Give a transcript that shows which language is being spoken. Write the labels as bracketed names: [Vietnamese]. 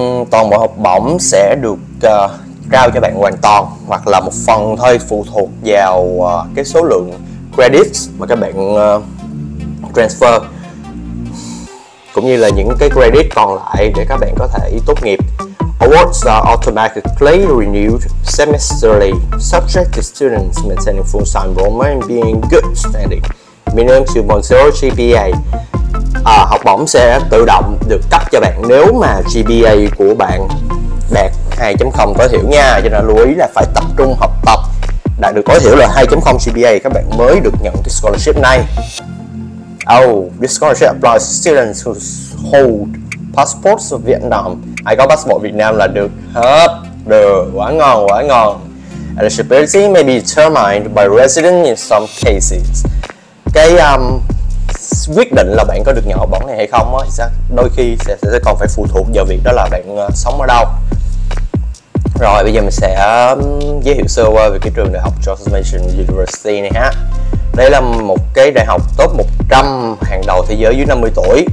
[Vietnamese] Toàn bộ học bổng sẽ được trao cho bạn hoàn toàn hoặc là một phần thôi, phụ thuộc vào cái số lượng credits mà các bạn transfer cũng như là những cái credit còn lại để các bạn có thể tốt nghiệp. [English] Awards are automatically renewed semesterly, subject to students maintaining full-time enrollment and being good standing, minimum 2.0 GPA. [Vietnamese] Học bổng sẽ tự động được cấp cho bạn nếu mà GPA của bạn đạt 2.0 tối thiểu nha. Cho nên lưu ý là phải tập trung học tập, đạt được tối thiểu là 2.0 GPA các bạn mới được nhận cái scholarship này. [English] Oh, this scholarship applies to students who hold passports of Vietnam. [Vietnamese] Ai có passport Việt Nam là được. Hấp, được, quá ngon, quá ngon. [English] Eligibility may be determined by resident in some cases. [Vietnamese] Cái quyết định là bạn có được nhận học bổng này hay không thì đôi khi sẽ còn phải phụ thuộc vào việc đó là bạn sống ở đâu. Rồi, bây giờ mình sẽ giới thiệu sơ qua về cái trường đại học George Mason University này ha. Đây là một cái đại học top 100 hàng đầu thế giới dưới 50 tuổi.